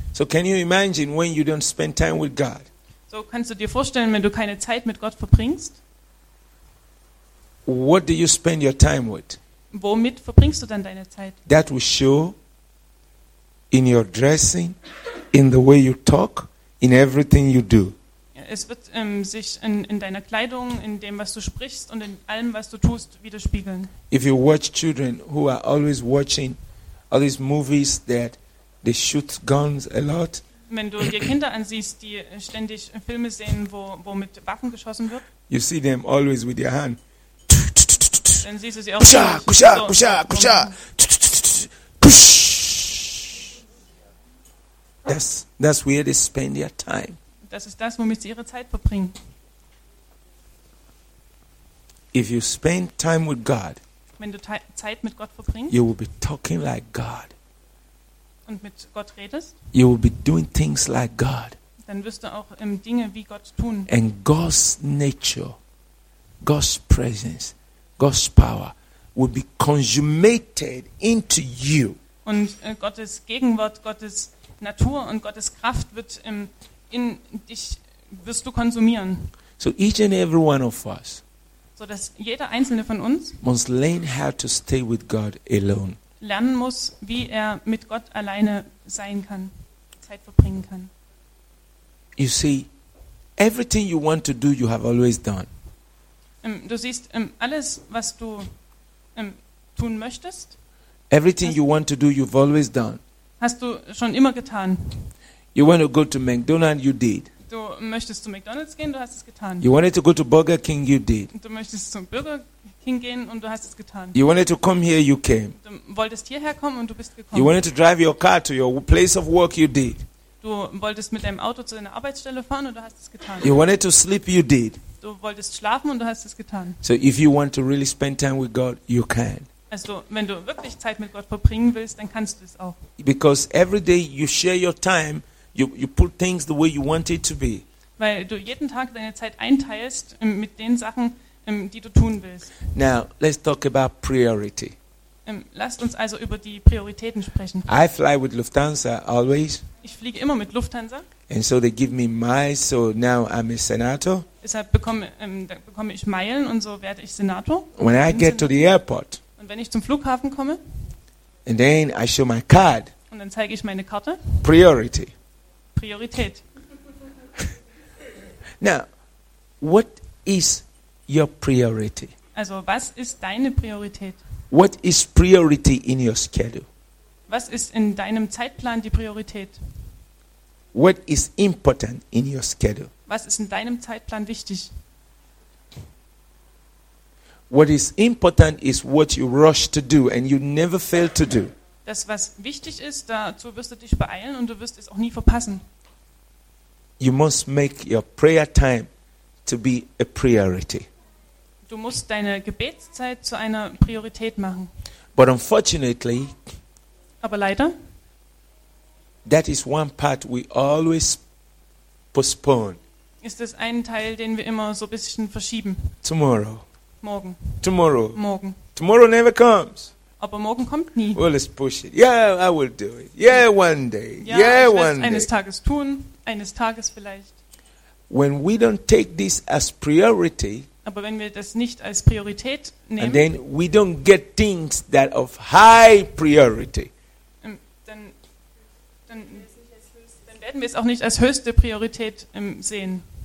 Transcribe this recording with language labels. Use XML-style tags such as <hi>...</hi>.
<en>So can you imagine when you don't spend time with God?</en> <de>So kannst du dir vorstellen, wenn du keine Zeit mit Gott verbringst?</de> <en>What do you spend your time with?</en> <de>Womit verbringst du dann deine Zeit?</de> <en>That will show in your dressing, in the way you talk, in everything you do.</en> <de>Es wird sich in deiner Kleidung, in dem, was du sprichst und in allem, was du tust, widerspiegeln.</de> <en>If you watch children who are always watching all these movies that they shoot guns a lot.</en> <de>Wenn du dir Kinder ansiehst, die ständig Filme sehen, wo mit Waffen geschossen wird.</de> <en>You see them always with your hand.</en> <de>Dann siehst du sie auch. Kusha, kusha, kusha, kusha.</de> <en>That's where they spend their time.</en> <de>Das ist das, womit sie ihre Zeit verbringen.</de> <en>If you spend time with God,</en> <de>wenn du Zeit mit Gott verbringst,</de> <en>you will be talking like God.</en> <de>Und mit Gott redest,</de> <en>you will be doing things like God.</en> <de>Dann wirst du auch Dinge wie Gott tun.</de> <en>And God's nature, God's presence, God's power will be consummated into you.</en> <de>Und Gottes Gegenwart, Gottes Natur und Gottes Kraft wird in dich wirst du konsumieren.</de> <en>So each and every one of us,</en> <de>so dass jeder einzelne von uns,</de> <en>must learn how to stay with God alone.</en> <de>Lernen muss, wie er mit Gott alleine sein kann, Zeit verbringen kann.</de> <en>You see, everything you want to do, you have always done.</en> <de>Du siehst, alles, was du tun möchtest,</de> <en>everything you want to do, you've always done.</en> <de>Hast du schon immer getan.</de> <en>You want to go to McDonald's, you did.</en> <de>Du möchtest zu McDonald's gehen, du hast es getan.</de> <en>You wanted to go to Burger King, you did.</en> <de>Du möchtest zum Burger King gehen und du hast es getan.</de> <en>You wanted to come here, you came.</en> <de>Du wolltest hierher kommen und du bist gekommen.</de> <en>You wanted to drive your car to your place of work, you did.</en> <de>Du wolltest mit deinem Auto zu deiner Arbeitsstelle fahren und du hast es getan.</de> <en>You wanted to sleep, you did.</en> <de>Du wolltest schlafen und du hast es getan.</de> <en>So if you want to really spend time with God, you can.</en> <de>Also, wenn du wirklich Zeit mit Gott verbringen willst, dann kannst du es auch.</de> <en>Because every day you share your time, you put things the way you want it to be.</en> <de>Weil du jeden Tag deine Zeit einteilst mit den Sachen, die du tun willst.</de> <en>Now, let's talk about priority.</en> <de>Lasst uns also über die Prioritäten sprechen.</de> <en>I fly with Lufthansa always.</en> <de>Ich fliege immer mit Lufthansa.</de> <en>And so they give me miles, so now I'm a senator.</en> <de>Deshalb bekomme ich Meilen und so werde ich Senator.</de> <en>When I get to the airport.</en> <de>Und wenn ich zum Flughafen komme.</de> <en>And then I show my card.</en> <de>Und dann zeige ich meine Karte.</de> <en>Priority.</en> <de>Priorität.</de> <en>Now, what is your priority?</en> <de>Also, was ist deine Priorität?</de> <en>What is priority in your schedule?</en> <de>Was ist in deinem Zeitplan die Priorität?</de> <en>What is important in your schedule?</en> <de>Was ist in deinem Zeitplan wichtig?</de> <en>What is important is what you rush to do and you never fail to do.</en> <de>Das, was wichtig ist, dazu wirst du dich beeilen und du wirst es auch nie verpassen.</de> <en>You must make your prayer time to be a priority.</en> <de>Du musst deine Gebetszeit zu einer Priorität machen.</de> <en>But unfortunately,</en> <de>aber leider,</de> <en>that is one part we always postpone.</en> <de>Ist es ein Teil, den wir immer so ein bisschen verschieben?</de> <en>Tomorrow.</en> <de>Morgen.</de> <en>Tomorrow.</en> <de>Morgen.</de> <en>Tomorrow never comes.</en> <de>Aber morgen kommt nie.</de> <en>Well, let's push it. Yeah, I will do it. Yeah, one day.</en> <de>Ja,</de> <en>yeah,</en> <de>ich werde es eines Tages tun. Eines Tages vielleicht.</de> <en>When we don't take this as priority.</en> <de>Aber wenn wir das nicht als Priorität nehmen.</de> <en>And then we don't get things that of high priority.</en> <de>Dann werden wir es auch nicht als höchste Priorität sehen.</de>